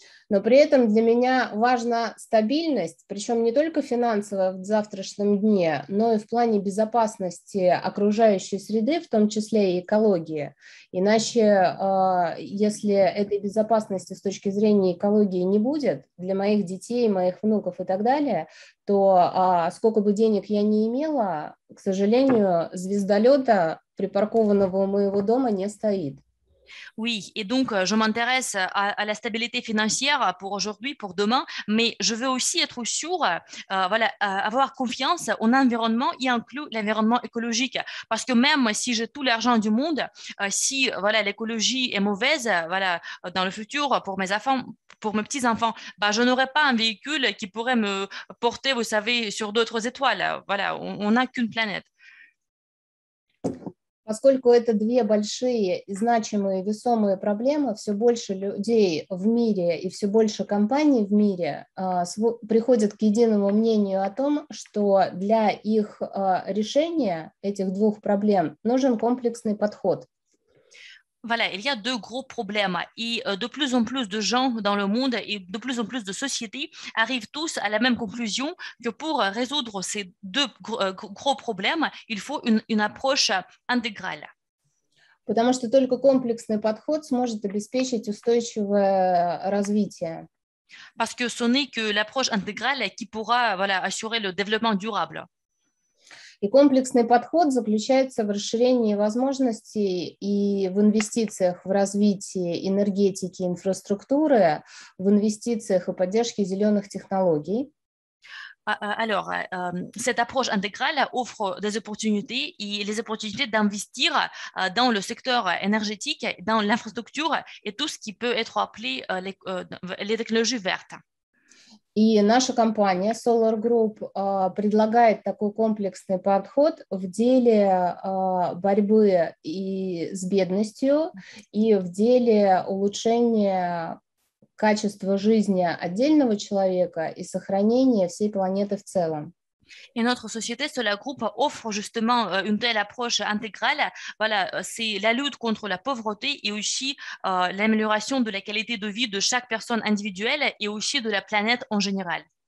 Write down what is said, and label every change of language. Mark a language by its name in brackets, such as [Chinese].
[Russian] Но при этом для меня важна стабильность, причем не только финансовая в завтрашнем дне, но и в плане безопасности окружающей среды, в том числе и экологии. Иначе, если этой безопасности с точки зрения экологии не будет для моих детей, моих внуков и так далее, то сколько бы денег я ни имела, к сожалению, звездолета, припаркованного у моего дома, не стоит. [French] Oui, et donc je m'intéresse à la stabilité financière pour aujourd'hui, pour demain, mais je veux aussi être sûre, avoir confiance en l'environnement et inclure l'environnement écologique. Parce que même si j'ai tout l'argent du monde, si l'écologie est mauvaise dans le futur pour mes enfants, pour mes petits-enfants, je n'aurai pas un véhicule qui pourrait me porter, vous savez, sur d'autres étoiles. Voilà, on n'a qu'une planète. [Russian] Поскольку это две большие, значимые, весомые проблемы, все больше людей в мире и все больше компаний в мире приходят к единому мнению о том, что для их решения этих двух проблем нужен комплексный подход. [French] Voilà, il y a deux gros problèmes et de plus en plus de gens dans le monde et de plus en plus de sociétés arrivent tous à la même conclusion que pour résoudre ces deux gros problèmes, il faut une approche intégrale. [Russian] Потому что только комплексный подход сможет обеспечить устойчивое развитие. [French] Parce que ce n'est que l'approche intégrale qui pourra assurer le développement durable. [Russian] И комплексный подход заключается в расширении возможностей и в инвестициях в развитие энергетики, инфраструктуры, в инвестициях и поддержке зеленых технологий. [French] Alors, cette approche intégrale offre des opportunités et les opportunités d'investir dans le secteur énergétique, dans l'infrastructure et tout ce qui peut être appelé les technologies vertes. [Russian] И наша компания Solar Group предлагает такой комплексный подход в деле борьбы и с бедностью и в деле улучшения качества жизни отдельного человека и сохранения всей планеты в целом. [French] Et notre société, Solar Group, offre justement une telle approche intégrale. Voilà, c'est la lutte contre la pauvreté et aussi l'amélioration de la qualité de vie de chaque personne individuelle et aussi de la planète en général.